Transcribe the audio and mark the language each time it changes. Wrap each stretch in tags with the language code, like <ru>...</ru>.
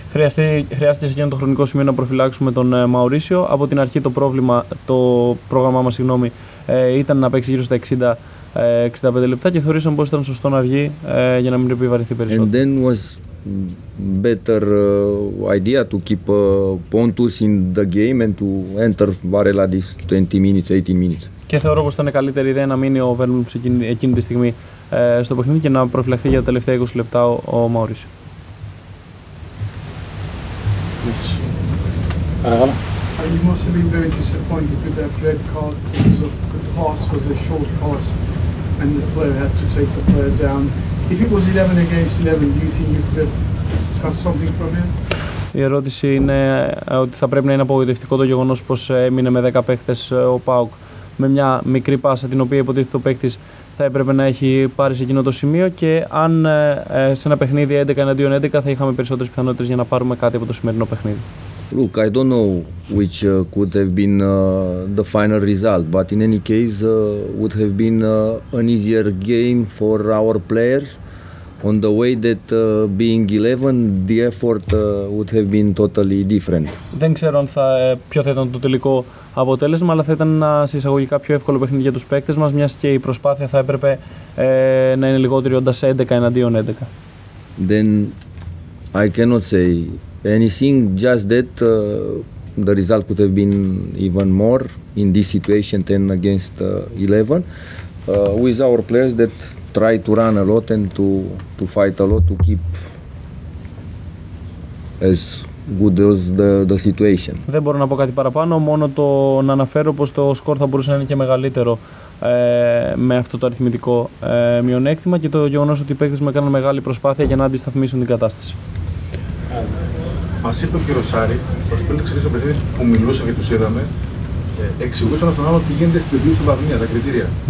<el>Χρειάστηκε σε εκείνο το χρονικό σημείο να προφυλάξουμε τον Μαουρίσιο. Από την αρχή το πρόγραμμά μας, συγγνώμη, ήταν να παίξει γύρω στα 60-65 λεπτά και θεωρήσαμε πως ήταν σωστό να βγει για να μην επιβαρυνθεί περισσότερο.</el> <en>And then was better idea to keep Pontus in the game and to enter Varela this 20 minutes, 18 minutes.</en> <el>Και θεωρώ πως ήταν καλύτερη ιδέα να μείνει ο Βέρμπλουμ εκείνη τη στιγμή στο παιχνίδι και να προφυλαχθεί για τα τελευταία 20 λεπτά ο Μαουρίσιο.</el> <en>You must have been very disappointed with that red card because of the pass was a short pass and the player had to take the player down. If it was 11 against 11, do you think you could have got something from him?</en> <el>Η ερώτηση είναι ότι θα πρέπει να είναι απογοητευτικό το γεγονός πως έμεινε με 10 παίκτες ο ΠΑΟΚ με μια μικρή πάσα την οποία υποτίθεται ο παίκτης θα έπρεπε να έχει πάρει σε εκείνο το σημείο και αν σε ένα παιχνίδι 11 εναντίον 11 θα είχαμε περισσότερες πιθανότητες για να πάρουμε κάτι από το σημερινό παιχνίδι.</el> <en>Look, I don't know which could have been the final result, but in any case would have been an easier game for our players on the way that being 11, the effort would have been totally different.</en> <el>Δεν ξέρω αν θα, ποιο θα ήταν το τελικό αποτέλεσμα, αλλά θα ήταν ένα συσσαγωγικά πιο εύκολο παιχνίδι για τους παίκτες μας, μιας και η προσπάθεια θα έπρεπε να είναι λιγότερη όντας 11 εναντίον 11.</el> <en>Then I cannot say anything, just that the result could have been even more in this situation than against 11, with our players that try to run a lot and to fight a lot to keep as good as the situation.</en> <el>Δεν μπορώ να πω κάτι παραπάνω, μόνο το να αναφέρω πως το σκορ θα μπορούσε να είναι και μεγαλύτερο με αυτό το αριθμητικό μειονέκτημα και το γεγονός ότι οι παίκτες μου έκαναν μεγάλη προσπάθεια για να αντισταθμίσουν την κατάσταση. Μας είπε ο κύριος Σάρη, ότι πριν ξεκινήσει το παιχνίδι που μιλούσε και τους είδαμε, εξηγούσαν στον άλλο τι γίνεται στην τελείωση του βαθμού, τα κριτήρια.</el>